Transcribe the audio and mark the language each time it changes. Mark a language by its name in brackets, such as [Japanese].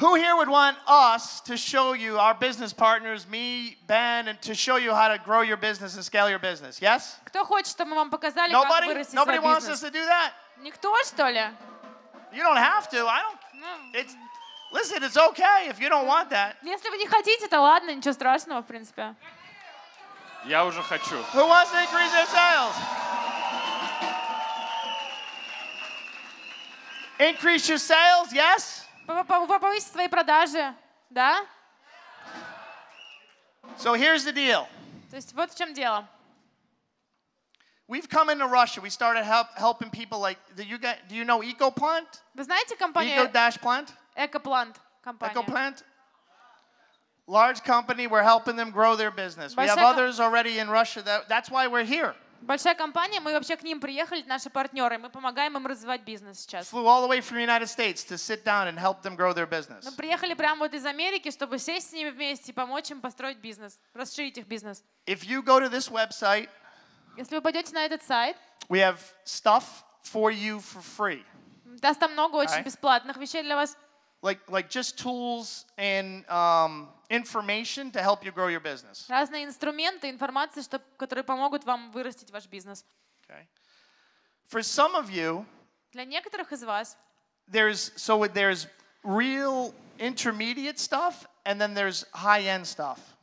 [English] Who here would want us to show you our business partners, me, Ben, and to show you how to grow your business and scale your business? Yes? [Russian] Кто хочет, чтобы мы вам показали, как вырасти свой бизнес? [English] Nobody wants us to do that? [Russian] Никто, что ли? [English] You don't have to. I don't. Listen, it's okay if you don't want that. [Russian] Если вы не хотите, то ладно, ничего страшного, в принципе. Я уже хочу. [English] Who wants to increase their sales? Increase your sales, yes? [Russian] Повысить свои продажи, да? [English] So here's the deal. [Russian] То есть вот в чем дело. [English] We've come into Russia. We started helping people like do you know EcoPlant? [Russian] Вы знаете компанию EcoPlant? EcoPlant компания. EcoPlant. [English] Large company, we're helping them grow their business. We have others already in Russia. That's why we're here. [Russian] Большая компания, мы вообще к ним приехали, наши партнеры, мы помогаем им развивать бизнес сейчас. [English] Flew all the way from the United States to sit down and help them grow their business. [Russian] Мы приехали прямо вот из Америки, чтобы сесть с ними вместе и помочь им построить бизнес, расширить их бизнес. [English] If you go to this website, [Russian] если вы пойдете на этот сайт, [English] we have stuff for you for free. [Russian] Даст там много очень бесплатных вещей для вас. [English] Like just tools and information to help you grow your business. [Russian] Разные инструменты, информация, которые помогут вам вырастить ваш бизнес. [English] Okay. For some of you, [Russian] для некоторых из вас, [English] there's real intermediate stuff and then there's high-end stuff.